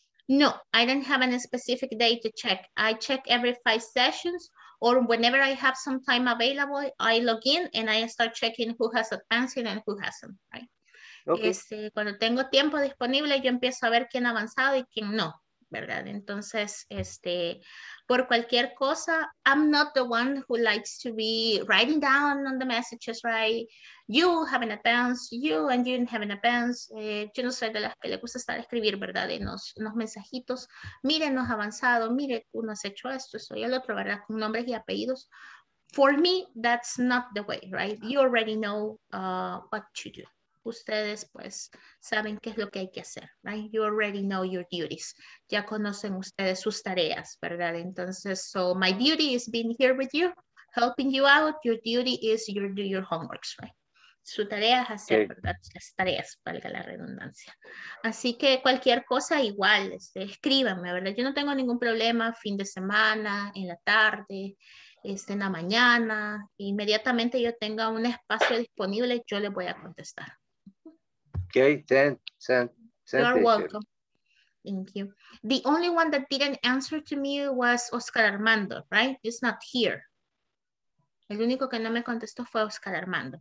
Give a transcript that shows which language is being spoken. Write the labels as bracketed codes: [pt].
[en] No, I don't have a specific day to check. I check every 5 sessions or whenever I have some time available, I log in and I start checking who has advanced and who hasn't, right? Okay. [es] Cuando tengo tiempo disponible, yo empiezo a ver quién ha avanzado y quién no, ¿verdad? Entonces, por cualquier cosa, [en] I'm not the one who likes to be writing down on the messages, right? You have an advance, you and you have an advance. [es] Yo no soy de las que le gusta estar escribir, ¿verdad? En los mensajitos, miren, nos ha avanzado, mire, tú no has hecho esto, soy el otro, ¿verdad? Con nombres y apellidos. [en] For me, that's not the way, right? You already know what to do. [es] Ustedes pues saben qué es lo que hay que hacer, right? [en] You already know your duties. [es] Ya conocen ustedes sus tareas, ¿verdad? [en] Entonces, so my duty is being here with you, helping you out. Your duty is your do your homeworks, right? [es] Su tarea es hacer, okay, ¿verdad? Las tareas, valga la redundancia. Así que cualquier cosa igual, escríbanme, ¿verdad? Yo no tengo ningún problema fin de semana, en la tarde, en la mañana. Inmediatamente yo tenga un espacio disponible, yo les voy a contestar. [en] Okay, then. You're welcome. Thank you. The only one that didn't answer to me was Oscar Armando, right? He's not here. [es] El único que no me contestó fue Oscar Armando.